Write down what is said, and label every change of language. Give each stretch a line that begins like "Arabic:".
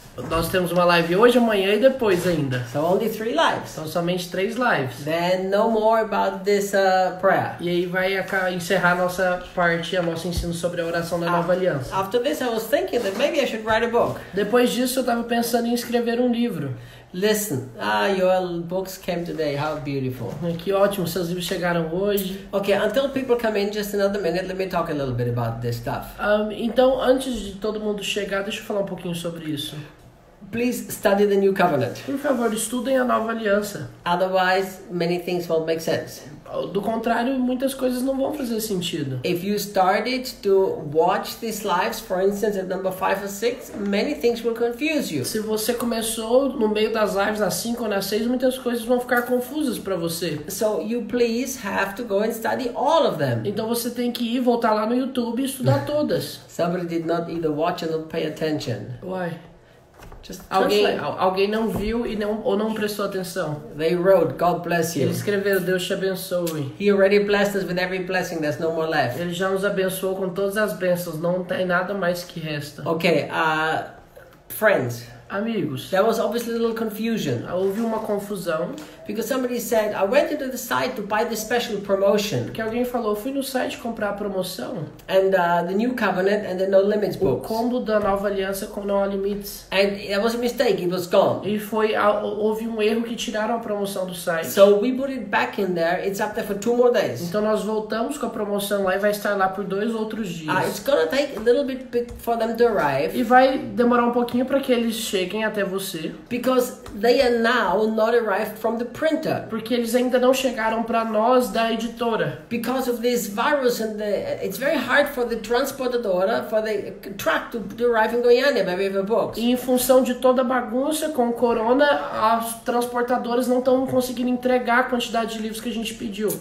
Portuguese: Nós temos uma live hoje, amanhã e depois ainda.
English: So only three lives.
Portuguese: São somente três lives.
English: Then no more about this prayer.
Portuguese: E aí vai encerrar nossa parte, o nosso ensino sobre a oração da nova aliança.
English: After this, I was thinking that maybe I should write a book.
Portuguese: Depois disso, eu estava pensando em escrever um livro.
English: Listen, your books came today. How beautiful.
Portuguese: Que ótimo, seus livros chegaram hoje.
English: Okay, until people come in, just another minute, let me talk a little bit about this stuff.
Portuguese: Então, antes de todo mundo chegar, deixa eu falar um pouquinho sobre isso.
English: Please study the new covenant.
Portuguese: Por favor, estudem a nova aliança.
English: Otherwise, many things won't make sense.
Portuguese: Do contrário, muitas coisas não vão fazer sentido.
English: If you started to watch these lives, for instance, at number 5 or 6, many things will confuse you.
Portuguese: Se você começou no meio das lives, nas 5 ou nas 6, muitas coisas vão ficar confusas para você.
English: So you please have to go and study all of them.
Portuguese: Então você tem que ir, voltar lá no YouTube e estudar todas.
English: Somebody did not either watch or not pay attention. Why? Just
Portuguese: Alguém não viu e não, ou não prestou atenção.
English: they wrote, God bless
Portuguese: Eles
English: you.
Portuguese: escreveram, Deus te abençoe.
English: He already blessed us with every blessing, there's no more left.
Portuguese: Ele já nos abençoou com todas as bênçãos, não tem nada mais que resta.
English: Okay, friends.
Portuguese: Amigos.
English: There was obviously a little confusion.
Portuguese: Houve uma confusão.
English: Because somebody said, I went into the site to buy this special promotion.
Portuguese: Porque alguém falou, fui no site comprar a promoção.
English: And the new covenant and the no limits
Portuguese: O
English: books.
Portuguese: combo da nova aliança com não há limites.
English: And it was a mistake, it was gone.
Portuguese: E houve um erro que tiraram a promoção do site.
English: So we put it back in there, it's up there for two more days.
Portuguese: Então nós voltamos com a promoção lá e vai estar lá por dois outros dias.
English: It's gonna take a little bit for them to arrive.
Portuguese: E vai demorar um pouquinho para que eles cheguem até você.
English: Because they are now not arrived from the printer.
Portuguese: Porque eles ainda não chegaram para nós da editora.
English: Because of this virus and it's very hard for the transportadora, for the truck to arrive in Goiânia, by way of a box.
Portuguese: E em função de toda a bagunça com o corona, as transportadoras não estão conseguindo entregar a quantidade de livros que a gente pediu.